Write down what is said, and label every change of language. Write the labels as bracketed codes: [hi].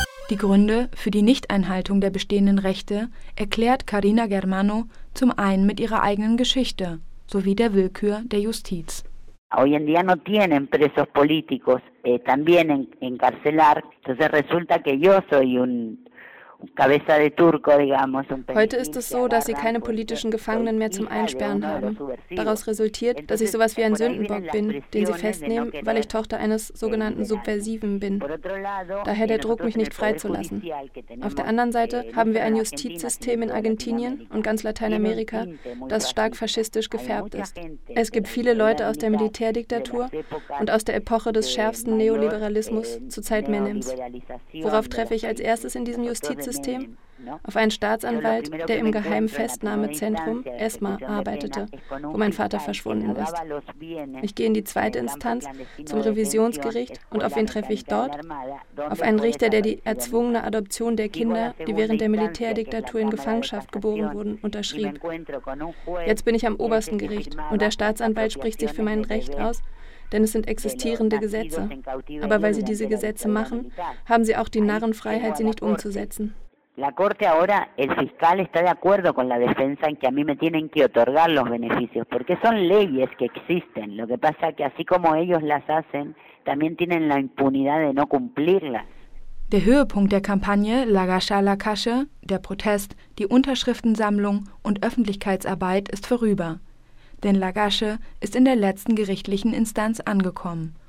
[de] Die Gründe für die Nichteinhaltung der bestehenden Rechte erklärt Karina Germano zum einen mit ihrer eigenen Geschichte sowie der Willkür der Justiz. [es] Hoy en día no tienen presos políticos, también encarcelar. Entonces resulta que yo soy un cabeza de turco, digamos. [de] Heute ist es so, dass sie keine politischen Gefangenen mehr zum Einsperren haben. Daraus resultiert, dass ich sowas wie ein Sündenbock bin, den sie festnehmen, weil ich Tochter eines sogenannten Subversiven bin. Daher der Druck, mich nicht freizulassen. Auf der anderen Seite haben wir ein Justizsystem in Argentinien und ganz Lateinamerika, das stark faschistisch gefärbt ist. Es gibt viele Leute aus der Militärdiktatur und aus der Epoche des schärfsten Neoliberalismus zu Zeit Menems. Worauf treffe ich als erstes in diesem Justizsystem? Auf einen Staatsanwalt, der im geheimen Festnahmezentrum ESMA arbeitete, wo mein Vater verschwunden ist. Ich gehe in die zweite Instanz, zum Revisionsgericht, und auf wen treffe ich dort? Auf einen Richter, der die erzwungene Adoption der Kinder, die während der Militärdiktatur in Gefangenschaft geboren wurden, unterschrieb. Jetzt bin ich am obersten Gericht und der Staatsanwalt spricht sich für mein Recht aus, denn es sind existierende Gesetze. Aber weil sie diese Gesetze machen, haben sie auch die Narrenfreiheit, sie nicht umzusetzen. [es] La Corte ahora, el fiscal está de acuerdo con la defensa en que a mí me tienen que otorgar los beneficios, porque son leyes que existen. Lo que pasa es que así como ellos las hacen, también tienen la impunidad de no cumplirlas. [de] Der Höhepunkt der Kampagne Lagasche a Lagasche, der Protest, die Unterschriftensammlung und Öffentlichkeitsarbeit ist vorüber. Denn Lagasche ist in der letzten gerichtlichen Instanz angekommen.